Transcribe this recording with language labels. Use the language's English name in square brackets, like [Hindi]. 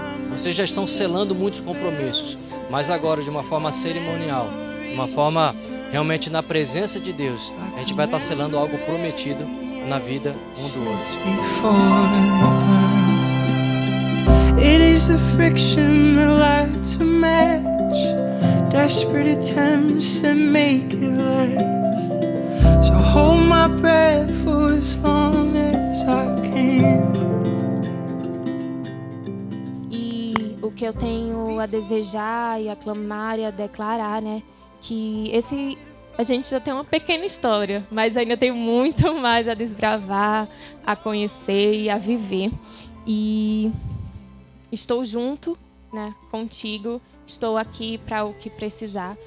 [Portuguese] Vocês já estão selando muitos compromissos, mas agora de uma forma cerimonial, de uma forma realmente na presença de Deus, a gente vai estar selando algo prometido na vida um do outro. [English] It is the friction that lights a match. Desperate attempts that make it last. So hold my breath for as long as I can. [Portuguese] E o que eu tenho a desejar e a clamar e a declarar, né? Que esse... A gente já tem uma pequena história, mas ainda tem muito mais a desbravar, a conhecer e a viver. E... estou junto, né, contigo, estou aqui para o que precisar.